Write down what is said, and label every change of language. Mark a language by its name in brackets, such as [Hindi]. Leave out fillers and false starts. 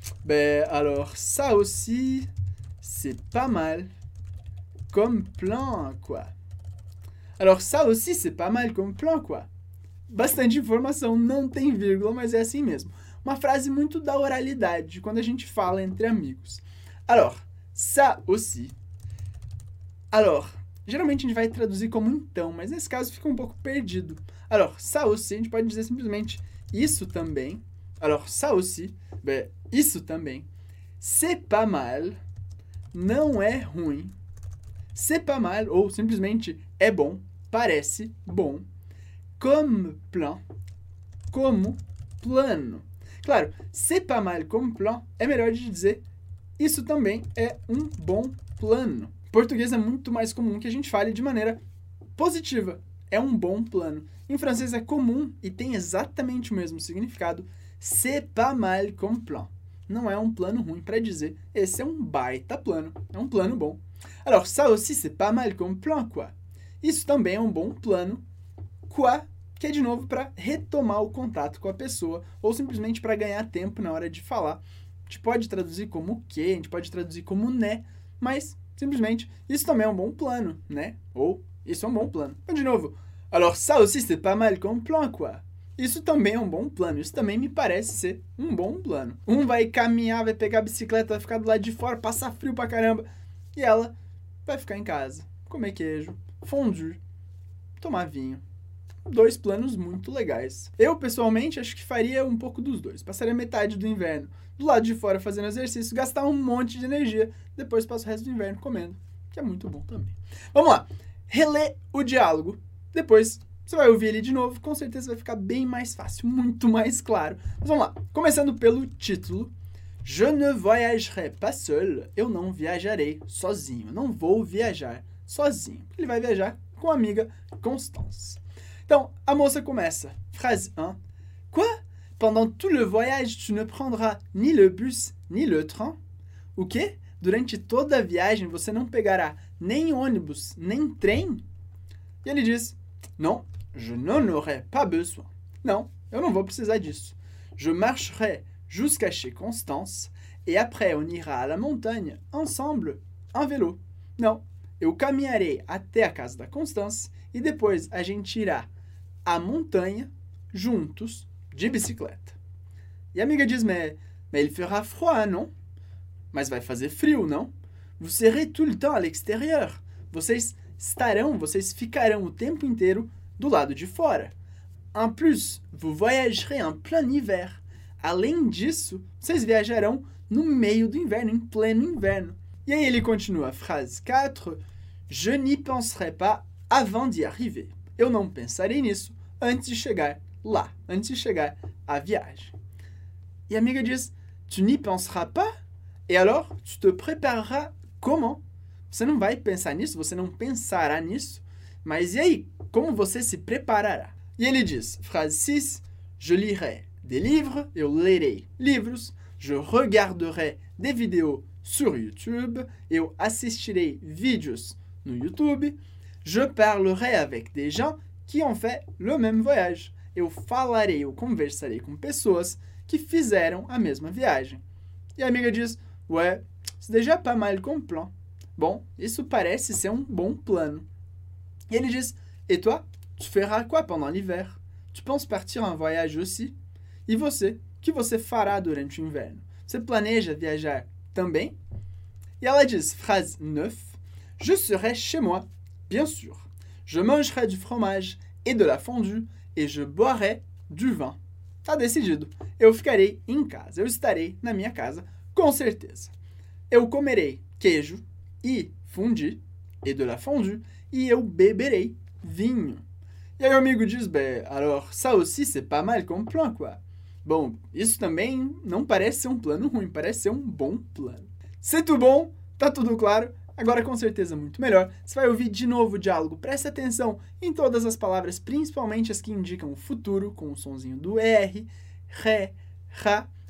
[French] Ben, alors, ça aussi, c'est pas mal comme plan, quoi. Alors, ça aussi, c'est pas mal comme plan, quoi. [Portuguese] Bastante informação, não tem vírgula, mas é assim mesmo. Uma frase muito da oralidade, quando a gente fala entre amigos. [French] Alors, ça aussi. [Portuguese] Alors, geralmente a gente vai traduzir como então, mas nesse caso fica um pouco perdido. [French] Alors, ça aussi, [Portuguese] a gente pode dizer simplesmente isso também. [French] Alors, ça aussi, ben, [Portuguese] isso também. [French] C'est pas mal, [Portuguese] não é ruim. [French] C'est pas mal, [Portuguese] ou simplesmente é bom, parece bom. [French] Comme plan, [Portuguese] como plano. Claro, [French] c'est pas mal comme plan [Portuguese] é melhor de dizer isso também é um bom plano. Português é muito mais comum que a gente fale de maneira positiva. É um bom plano. Em francês é comum e tem exatamente o mesmo significado. [French] C'est pas mal comme plan. [Portuguese] Não é um plano ruim para dizer. Esse é um baita plano. É um plano bom. [French] Alors, ça aussi, c'est pas mal comme plan, quoi. [Portuguese] Isso também é um bom plano. Quoi, que é de novo para retomar o contato com a pessoa ou simplesmente para ganhar tempo na hora de falar. A gente pode traduzir como o quê, a gente pode traduzir como né, mas simplesmente isso também é um bom plano, né? Ou isso é um bom plano. Então, de novo, [French] alors ça aussi c'est pas mal comme plan, quoi. [Portuguese] Isso também é um bom plano, isso também me parece ser um bom plano. Um vai caminhar, vai pegar a bicicleta, vai ficar do lado de fora, passar frio pra caramba, e ela vai ficar em casa, comer queijo, fondue, tomar vinho. Dois planos muito legais. Eu, pessoalmente, acho que faria um pouco dos dois. Passaria metade do inverno do lado de fora fazendo exercício, gastar um monte de energia, depois passo o resto do inverno comendo, que é muito bom também. Vamos lá, relê o diálogo. Depois você vai ouvir ele de novo, com certeza vai ficar bem mais fácil, muito mais claro. Mas vamos lá, começando pelo título. [French] Je ne voyagerai pas seul. [Portuguese] Eu não viajarei sozinho. Eu não vou viajar sozinho. Ele vai viajar com a amiga Constance. Então, a moça começa. [French] Phrase 1. Quoi? Pendant tout le voyage, tu ne prendras ni le bus, ni le train? [Portuguese] O quê? durante toda a viagem você não pegará nem ônibus, nem trem? E ele diz, [French] non, je n'en aurai pas besoin. [Portuguese] Não, eu não vou precisar disso. [French] Je marcherai jusqu'à chez Constance et après on ira à la montagne ensemble en vélo. [Portuguese] Não, eu caminharei até a casa da Constance e depois a gente irá à montanha juntos de bicicleta. E a amiga diz, [French] mais il fera froid, non? [Portuguese] Mas vai fazer frio, não? [French] Vous serez tout le temps à l'extérieur. [Portuguese] Vocês ficarão o tempo inteiro do lado de fora. [French] En plus, vous voyagerez en plein hiver. [Portuguese] Além disso, vocês viajarão no meio do inverno, em pleno inverno. E aí ele continua a frase 4. [French] Je n'y penserai pas avant d'y arriver. [Portuguese] Eu não pensarei nisso antes de chegar lá, antes de chegar à viagem. E a amiga diz, [French] tu n'y penseras pas? Et alors, tu te prépareras comment? [Portuguese] Você não vai pensar nisso, você não pensará nisso. Mas e aí, como você se preparará? E ele diz, [French] phrase 6, je lirai des livres, [Portuguese] eu lerei livros, [French] je regarderai des vidéos sur YouTube, [Portuguese] eu assistirei vídeos no YouTube, [French] je parlerai avec des gens qui ont fait le même voyage. [Portuguese] Eu falarei, eu conversarei com pessoas que fizeram a mesma viagem. E a amiga diz, [French] ouais, c'est déjà pas mal comme plan. [Portuguese] Bom, isso parece ser um bom plano. E ele diz, [French] et toi, tu feras quoi pendant l'hiver? Tu penses partir en voyage aussi? [Portuguese] E você, o que você fará durante o inverno? Você planeja viajar também? E ela diz, [French] phrase 9, je serai chez moi, bien sûr. Je mangerai du fromage et de la fondue et je boirai du vin. [Portuguese] Tá decidido. Eu ficarei em casa. Eu estarei na minha casa, com certeza. Eu comerei queijo e fondue [French] et de la fondue [Portuguese] e eu beberei vinho. E aí o amigo diz, [French] alors ça aussi c'est pas mal comme plan, quoi. [Portuguese] Bom, isso também não parece ser um plano ruim, parece ser um bom plano. [French] C'est tout bon? [Portuguese] Tá tudo claro? Agora, com certeza, muito melhor. Você vai ouvir de novo o diálogo. Preste atenção em todas as palavras, principalmente as que indicam o futuro, com o sonzinho do R, Ré, Rá.